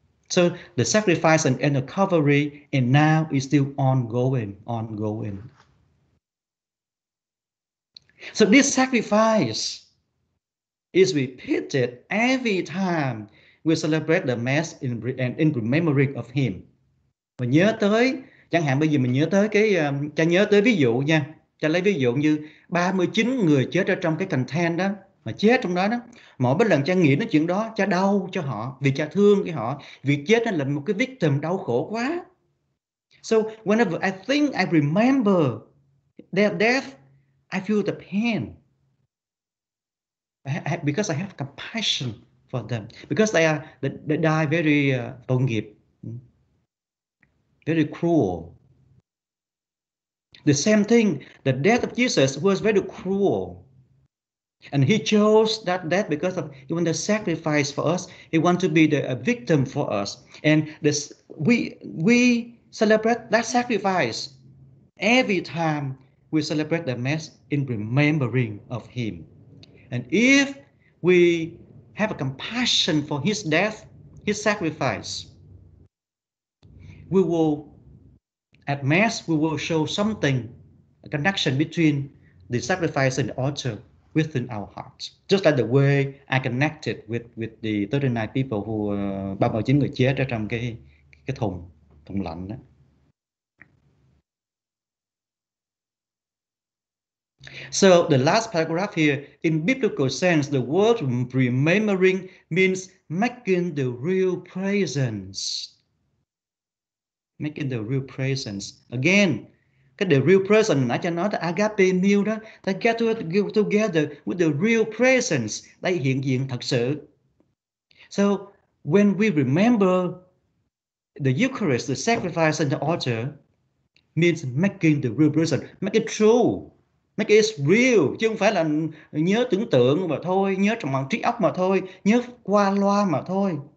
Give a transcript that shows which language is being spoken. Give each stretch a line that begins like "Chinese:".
English: So the sacrifice and the Calvary and now is still ongoing. So this sacrifice is repeated every time we celebrate the Mass in memory of him.
Vietnamese: Mà nhớ tới, chẳng hạn bây giờ mình nhớ tới cái, cha nhớ tới ví dụ nha. Cha lấy ví dụ như 39 người chết ở trong cái container đó, mà chết trong đó đó. Mỗi lần cha nghĩ đến chuyện đó, cha đau cho họ, vì cha thương cái họ. Vì chết là một cái victim đau khổ quá.
English: So whenever I think I remember their death, I feel the pain. Because I have compassion for them. Because they die very
Vietnamese: tội nghiệp.
English: Very cruel. The same thing, the death of Jesus was very cruel. And he chose that death because of he wanted to sacrifice for us. He wanted to be a victim for us. And this we celebrate that sacrifice every time we celebrate the Mass in remembering of him. And if we have a compassion for his death, his sacrifice, we will, at Mass, we will show something, a connection between the sacrifice and the altar within our hearts. Just like the way I connected with the 39 people who,
Vietnamese: 39 người chết ở trong cái thùng lạnh đó.
English: So the last paragraph here, in biblical sense, the word remembering means making the real presence. Making the real presence. Again, cái the real presence,
Vietnamese: nãy cho nói là
English: agape meal đó, they get together with the real presence, they
Vietnamese: hiện diện thật sự.
English: So, when we remember the Eucharist, the sacrifice and the altar, means making the real presence, make it true, make it real,
Vietnamese: chứ không phải là nhớ tưởng tượng mà thôi,
English: nhớ trong bằng trí óc mà thôi, nhớ qua loa mà thôi.